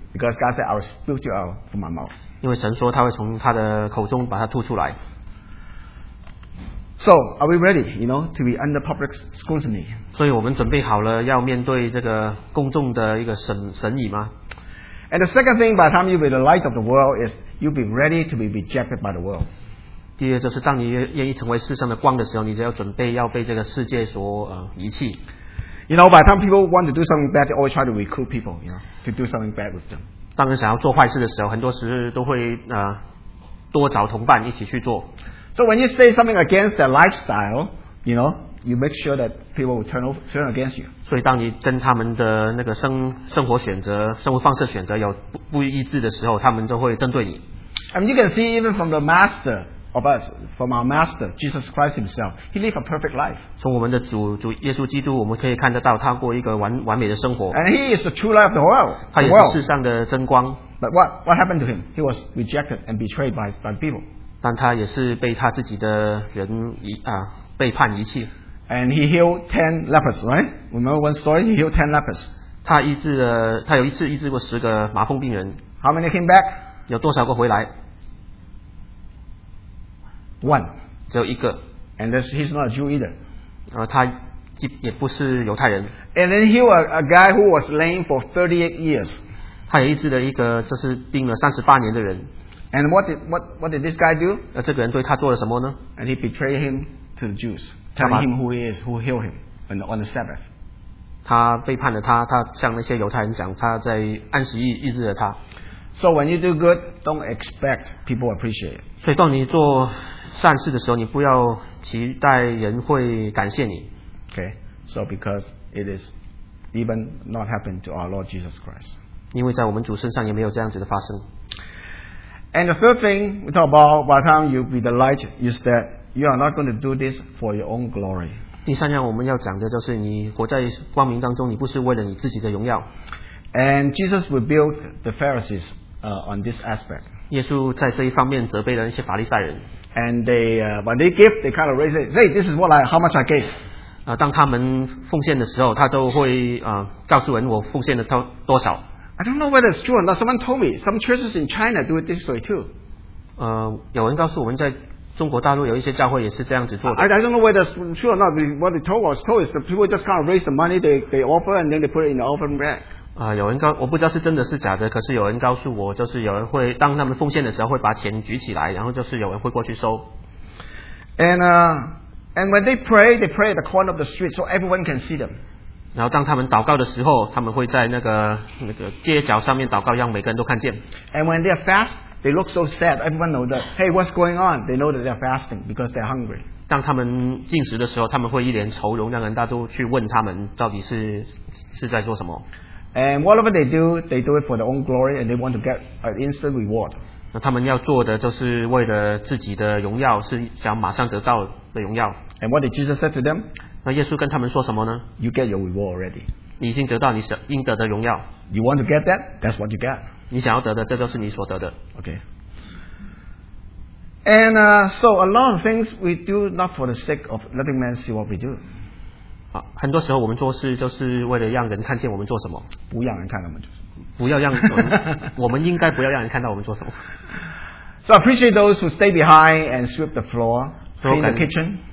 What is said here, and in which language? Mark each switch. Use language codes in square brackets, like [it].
[en] Because God said, "I will spew you out from my mouth." [zh] 因为神说他会从他的口中把它吐出来。 [en] So, are we ready, you know, to be under public scrutiny? [zh] 所以我们准备好了要面对这个公众的一个审议吗？ [en] And the second thing, by the time you be the light of the world, is you'll be ready to be rejected by the world. [zh] 第二就是当你愿意成为世上的光的时候，你就要准备要被这个世界所遗弃。 [en] You know, by the time people want to do something bad, they always try to recruit people, you know, to do something bad with them. [zh] 当人想要做坏事的时候，很多时都会多找同伴一起去做。 [en] So when you say something against their lifestyle, you know. You make sure that people will turn against you. [zh] 所以当你跟他们的那个生活选择、生活方式选择有不一致的时候，他们就会针对你。 [en] And you can see even from the master of us, from our master Jesus Christ himself, he lived a perfect life. [zh] 从我们的主耶稣基督，我们可以看得到他过一个完美的生活。 [en] And he is the true light of the world. [zh] 他也是世上的真光。 [en] But what happened to him? He was rejected and betrayed by people. [zh] 但他也是被他自己的人背叛遗弃。 [en] And he healed 10 lepers, right? Remember one story? He healed 10 lepers. [zh] 他有一次医治过10个麻风病人。 [en] How many came back? [zh] 有多少个回来？ [en] One. [zh] 只有一个。 [en] And he's not a Jew either. [zh] 他也不是犹太人。 [en] And then he was a guy who was lame for 38 years. [zh] 他也医治了一个就是病了38年的人。 [en] And what did this guy do? [zh] 这个人对他做了什么呢？ [en] And he betrayed him to the Jews. Telling him who he is, who healed him on the Sabbath. [zh] 他背叛了他，他向那些犹太人讲，他在安息日医治了他。 [en] So when you do good, don't expect people appreciate it. [zh] 所以当你做善事的时候，你不要期待人会感谢你。 [en] Okay, so because it is even not happened to our Lord Jesus Christ. [zh] 因为在我们主身上也没有这样子的发生。 [en] And the third thing we talk about by the time you be the light is that. You are not going to do this for your own glory. [zh] 第三样我们要讲的就是你活在光明当中，你不是为了你自己的荣耀。 [en] And Jesus rebuked the Pharisees on this aspect. [zh] 耶稣在这一方面责备了那些法利赛人。 [en] And they when they give, they kind of raise it. Say, this is what how much I gave. [zh] 当他们奉献的时候，他都会告诉人我奉献了多少。 [en] I don't know whether it's true or not. Someone told me some churches in China do it this way too. [zh] 有人告诉我们在。中国大陆有一些教会也是这样子做的。 [en] I don't know whether true or not. What they told us is the people just kind of raise the money they offer and then they put it in the offering bag. [zh] 我不知道是真的是假的，可是有人告诉我，就是有人会当他们奉献的时候会把钱举起来，然后就是有人会过去收。 [en] And when they pray at the corner of the street so everyone can see them. [zh] 然后当他们祷告的时候，他们会在那个街角上面祷告，让每个人都看见。 [en] And when they are fast. They look so sad. Everyone knows that. Hey, what's going on? They know that they're fasting because they're hungry. [zh] 当他们进食的时候，他们会一脸愁容，让人大都去问他们到底是在做什么。 [en] And whatever they do it for their own glory, and they want to get an instant reward. [zh] 那他们要做的就是为了自己的荣耀，是想马上得到的荣耀。 [en] And what did Jesus say to them? [zh] 那耶稣跟他们说什么呢 [en] ？You get your reward already. [zh] 你已经得到你想应得的荣耀。 [en] You want to get that? That's what you get. [zh] 你想要得的，这就是你所得的。 [en] Okay. And so a lot of things we do not for the sake of letting men see what we do. [zh] 很多时候我们做事就是为了让人看见我们做什么。不让人看到我们做什么。不要让我们应该不要让人看到我们做什么。 [en] So I appreciate those who stay behind and sweep the floor, clean the kitchen.